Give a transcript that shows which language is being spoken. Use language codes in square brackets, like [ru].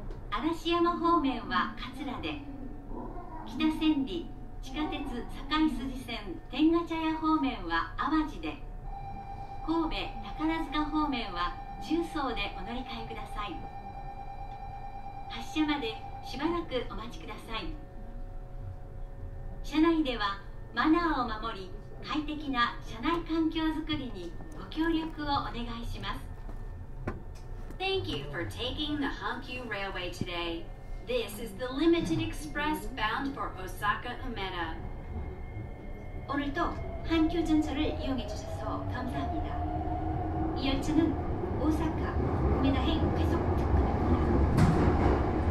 [ja] 嵐山方面は桂で、北千里、地下鉄堺筋線天ヶ茶屋方面は淡路で、神戸宝塚方面は十三でお乗り換えください。発車までしばらくお待ちください。車内ではマナーを守り、快適な車内環境づくりにご協力をお願いします。 [en] Thank you for taking the Hankyu Railway today. This is the limited express bound for Osaka Umeda. [ko] 오늘 또 Hankyu 전철을 이용해 주셔서 감사합니다. 이 열차는 오사카 우메다행 회속 특급입니다.